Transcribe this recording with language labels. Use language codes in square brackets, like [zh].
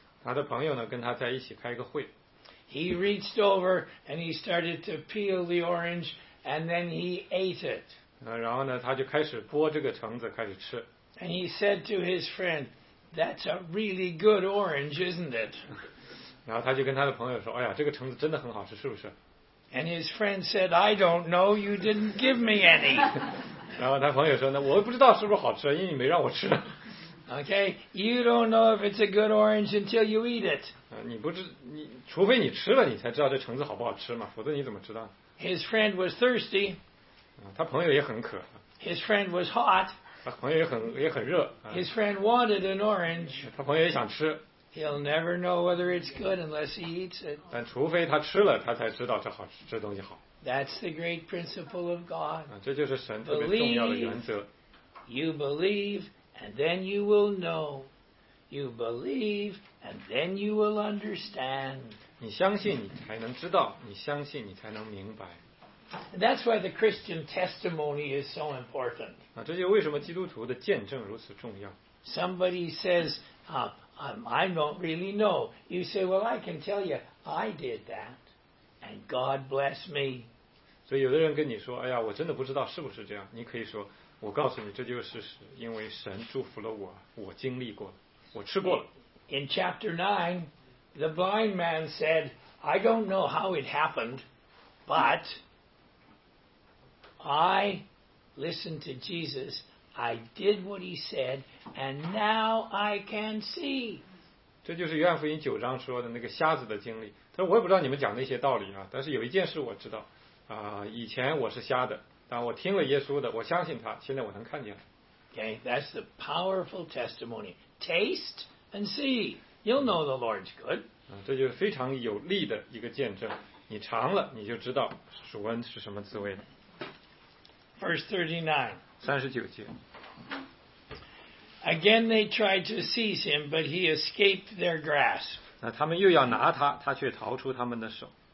[zh] 他的朋友呢，跟他在一起开一个会。 [en] He reached over and he started to peel the orange and then he ate it. [zh] 然后呢，他就开始剥这个橙子，开始吃。 [en] And he said to his friend, "That's a really good orange, isn't it?" [zh] 然后他就跟他的朋友说，哎呀，这个橙子真的很好吃，是不是？ [en] And his friend said, "I don't know, you didn't give me any." [zh] 然后他朋友说，那我不知道是不是好吃，因为你没让我吃。 [en] Okay, you don't know if it's a good orange until you eat it. [zh] 你不知你除非你吃了，你才知道这橙子好不好吃嘛，否则你怎么知道？ [en] His friend was thirsty. [zh] 他朋友也很渴。 [en] His friend was hot. [zh] 他朋友也很热。 [en] His friend wanted an orange. [zh] 他朋友也想吃。 [en] He'll never know whether it's good unless he eats it. [zh] 但除非他吃了，他才知道这好这东西好。 [en] That's the great principle of God. [zh] 这就是神特别重要的原则。 [en] You believe. And then you will know. You believe, and then you will understand. [zh] 你相信，你才能知道；你相信，你才能明白。 [en] And that's why the Christian testimony is so important. [zh] 啊，这就为什么基督徒的见证如此重要。 [en] Somebody says, "I don't really know." You say, "Well, I can tell you, I did that, and God bless me." [zh] 所以有的人跟你说，哎呀，我真的不知道是不是这样。你可以说。我告诉你，这就是事实，因为神祝福了我，我经历过了，我吃过了。 [en] In chapter 9, the blind man said, "I don't know how it happened, but I listened to Jesus, I did what he said, and now I can see." [zh] 这就是约翰福音九章说的那个瞎子的经历。他说，我也不知道你们讲那些道理啊，但是有一件事我知道，以前我是瞎的。我听了耶稣的，我相信他，现在我能看见了。 [en] Okay, that's the powerful testimony. Taste and see, you'll know the Lord's good. [zh] 这就是非常有力的一个见证。你尝了，你就知道主恩是什么滋味的。 [en] Verse 39. 39 [zh] 节。 [en] Again, they tried to seize him, but he escaped their grasp. [zh] 他们又要拿他，他却逃出他们的手。